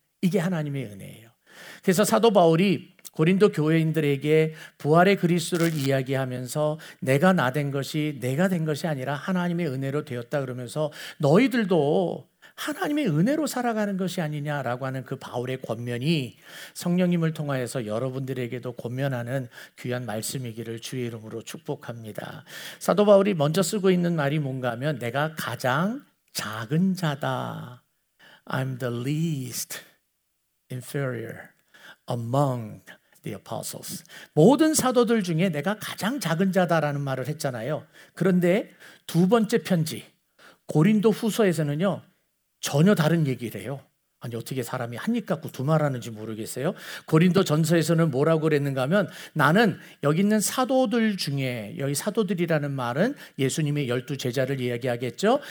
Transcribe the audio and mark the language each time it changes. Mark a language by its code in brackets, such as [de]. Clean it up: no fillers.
[ko] 이게 하나님의 은혜예요. 그래서 사도 바울이 고린도 교회인들에게 부활의 그리스도를 이야기하면서 내가 나된 것이 내가 된 것이 아니라 하나님의 은혜로 되었다 그러면서 너희들도 하나님의 은혜로 살아가는 것이 아니냐라고 하는 그 바울의 권면이 성령님을 통하여서 여러분들에게도 권면하는 귀한 말씀이기를 주의 이름으로 축복합니다. 사도 바울이 먼저 쓰고 있는 말이 뭔가 하면 내가 가장 작은 자다. [en] I'm the least inferior among the apostles. [ko] 모든 사도들 중에 내가 가장 작은 자다라는 말을 했잖아요. 그런데 두 번째 편지 고린도 후서에서는요 전혀 다른 얘기를 해요. 아니 어떻게 사람이 한 입 갖고 두 말 하는지 모르겠어요. 고린도 전서에서는 뭐라고 그랬는가 하면 나는 여기 있는 사도들 중에 여기 사도들이라는 말은 예수님의 열두 제자를 이야기하겠죠.